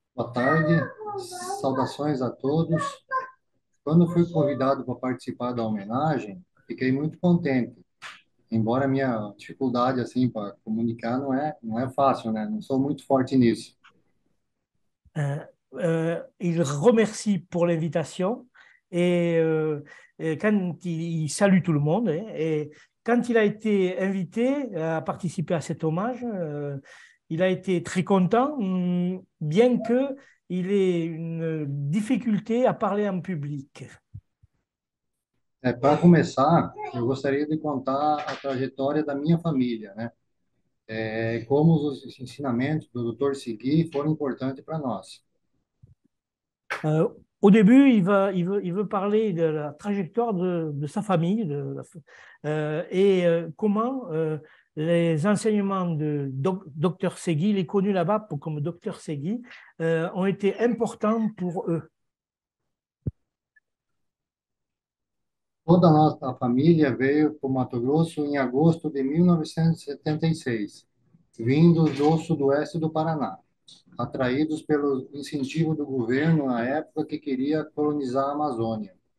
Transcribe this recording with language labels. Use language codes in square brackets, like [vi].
[pt] Boa tarde, saudações a todos. Quando fui convidado para participar da homenagem, fiquei muito contente. Embora a minha dificuldade assim para comunicar não é fácil, né? Não sou muito forte nisso. [fr] Il remercie pour l'invitation et quand il salue tout le monde. Et quand il a été invité à participer à cet hommage, il a été très content, bien qu'il ait une difficulté à parler en public. [pt] Para começar, eu gostaria de contar a trajetória da minha família, né? Como os ensinamentos do Dr. Segui foram importantes para nós. [fr] Au début, il veut parler de la trajectoire de sa famille et comment les enseignements de Dr. Segui, il est connu là-bas comme Dr. Segui, ont été importants pour eux. [pt] Toda a nossa família veio para o Mato Grosso em agosto de 1976, vindo do sul do oeste do Paraná, atraídos pelo incentivo do governo na época que queria colonizar a Amazônia.